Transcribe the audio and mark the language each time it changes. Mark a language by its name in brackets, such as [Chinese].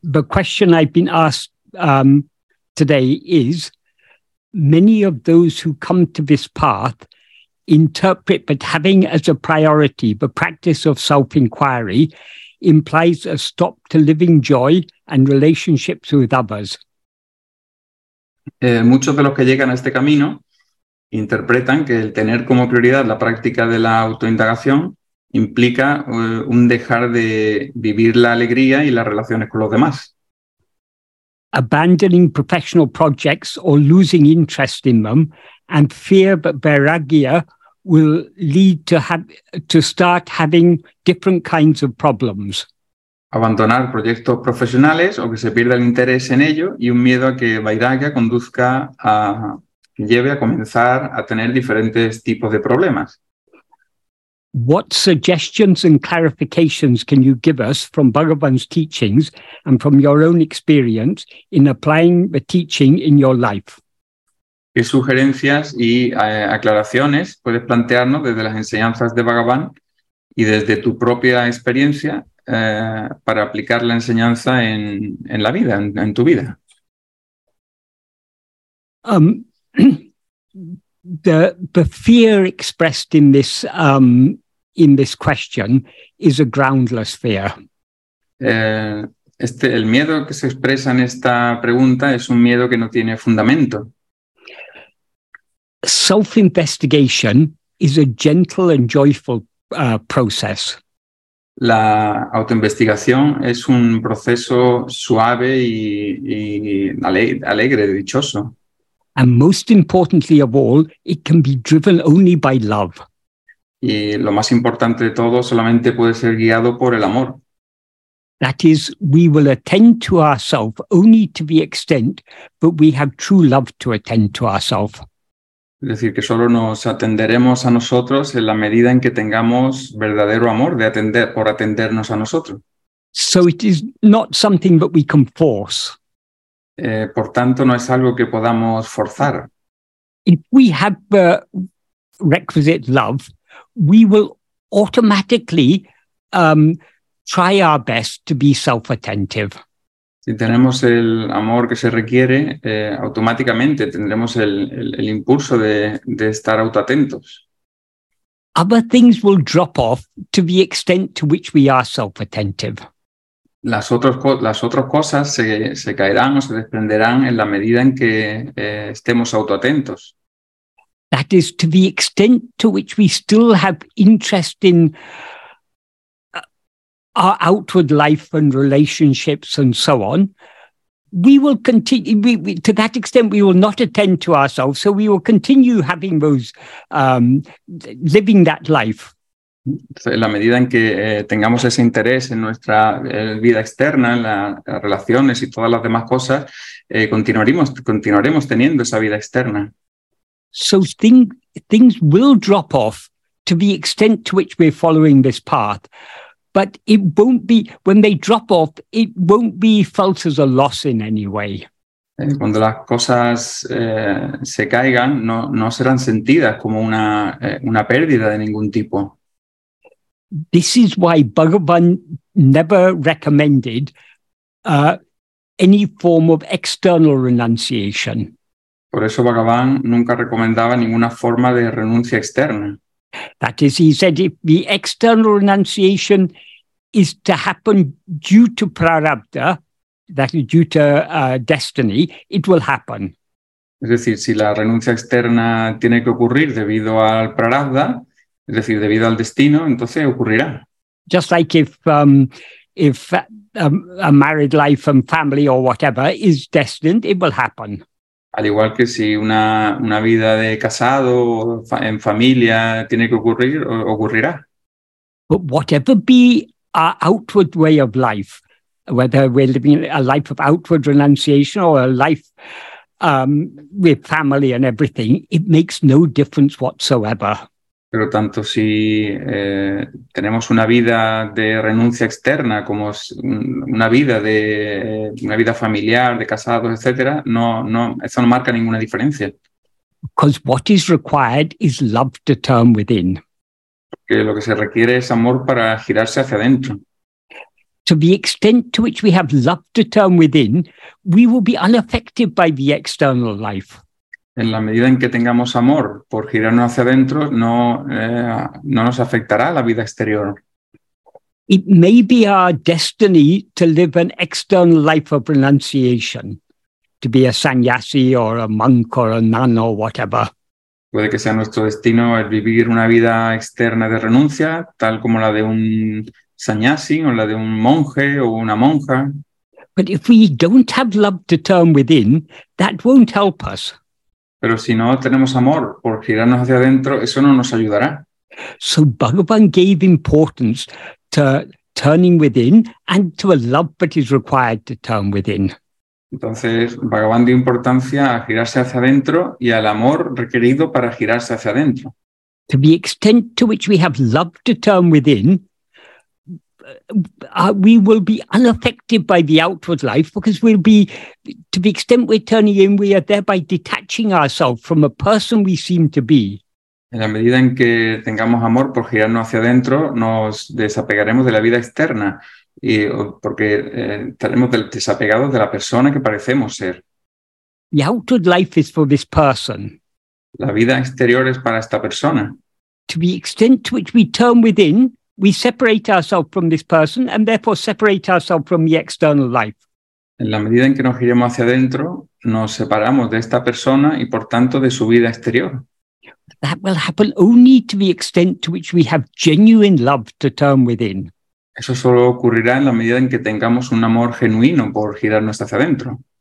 [English] The question I've been asked today is, many of those who come to this path interpret that having as a priority the practice of self-inquiry implies a stop to living joy and relationships with others. [Spanish] Muchos de los que llegan a este camino interpretan que el tener como prioridad la práctica de la autoindagación implica un dejar de vivir la alegría y las relaciones con los demás. [English] Abandoning professional projects or losing interest in them, and fear that vairagya will lead to start having different kinds of problems. [Spanish] Abandonar proyectos profesionales o que se pierda el interés en ello y un miedo a que vairagya conduzca a lleve a comenzar a tener diferentes tipos de problemas. [English] What suggestions and clarifications can you give us from Bhagavan's teachings and from your own experience in applying the teaching in your life? [Spanish] ¿Qué sugerencias y aclaraciones puedes plantearnos desde las enseñanzas de Bhagavan y desde tu propia experiencia para aplicar la enseñanza en la vida, en tu vida? [English] The fear expressed in this question is a groundless fear. [Spanish] El miedo que se expresa en esta pregunta es un miedo que no tiene fundamento. [English] Self-investigation is a gentle and joyful process. [Spanish] La autoinvestigación es un proceso suave y alegre, dichoso. [English] And most importantly of all, it can be driven only by love. [Spanish] Y lo más importante de todo, solamente puede ser guiado por el amor. [English] That is, we will attend to ourselves only to the extent that we have true love to attend to ourselves. [Spanish] Es decir, que solo nos atenderemos a nosotros en la medida en que tengamos verdadero amor de atender por atendernos a nosotros. [English] So it is not something that we can force. [Spanish] Por tanto, no es algo que podamos forzar. [English] If we have the requisite love, we will automatically try our best to be self-attentive. [Spanish] Si tenemos el amor que se requiere, automáticamente tendremos el impulso de estar autoatentos. [English] Other things will drop off to the extent to which we are self-attentive. [Spanish] Las otras cosas se caerán o se desprenderán en la medida en que estemos autoatentos. [English] That is, to the extent to which we still have interest in our outward life and relationships and so on, we will continue, to that extent we will not attend to ourselves, so we will continue having those, living that life. [Spanish] En la medida en que tengamos ese interés en nuestra vida externa, en las relaciones y todas las demás cosas, continuaremos teniendo esa vida externa. [English] So things will drop off to the extent to which we're following this path, but it won't be, when they drop off, it won't be felt as a loss in any way. [Spanish] Cuando las cosas se caigan, no serán sentidas como una pérdida de ningún tipo. [English] This is why Bhagavan never recommended any form of external renunciation. [Spanish] Por eso Bhagavan nunca recomendaba ninguna forma de renuncia externa. [English] That is, he said, if the external renunciation is to happen due to prarabdha, that is due to destiny, it will happen. [Spanish] Es decir, si la renuncia externa tiene que ocurrir debido al prarabdha, es decir, debido al destino, entonces ocurrirá. [English] Just like if a married life and family or whatever is destined, it will happen. [Spanish] Al igual que si una vida de casado en familia tiene que ocurrir, ocurrirá. [English] But whatever be our outward way of life, whether we're living a life of outward renunciation or a life with family and everything, it makes no difference whatsoever. [Spanish] Pero tanto si tenemos una vida de renuncia externa como una vida familiar, de casados, etcétera, no eso no marca ninguna diferencia. [English] Because what is required is love to turn within. [Spanish] Porque lo que se requiere es amor para girarse hacia adentro. [English] to the extent to which we have love to turn within, we will be unaffected by the external life. [Spanish] En la medida en que tengamos amor por girarnos hacia adentro, no nos afectará la vida exterior. [English] It may be our destiny to live an external life of renunciation, to be a sannyasi or a monk or a nun or whatever. [Spanish] Puede que sea nuestro destino el vivir una vida externa de renuncia, tal como la de un sannyasi o la de un monje o una monja. [English] But if we don't have love to turn within, that won't help us. [Spanish] Pero si no tenemos amor por girarnos hacia adentro, eso no nos ayudará. [English] So Bhagavan gave importance to turning within and to a love that is required to turn within. [Spanish] Entonces, Bhagavan dio importancia a girarse hacia adentro y al amor requerido para girarse hacia adentro. [English] To the extent to which we have love to turn within, we will be unaffected by the outward life because we'll be, to the extent we're turning in, we are thereby detaching ourselves from a person we seem to be. [Spanish] En la medida en que tengamos amor por girarnos hacia adentro, nos desapegaremos de la vida externa y porque estaremos desapegados de la persona que parecemos ser. [English] The outward life is for this person. [Spanish] La vida exterior es para esta persona. [English] To the extent to which we turn within, we separate ourselves from this person and therefore separate ourselves from the external life. [Spanish] En la medida en que nos giremos hacia adentro, nos separamos de esta persona y por tanto de su vida exterior. [English] That will happen only to the extent to which we have genuine love to turn within. [Spanish] Eso solo ocurrirá en la medida en que tengamos un amor genuino por girarnos hacia adentro.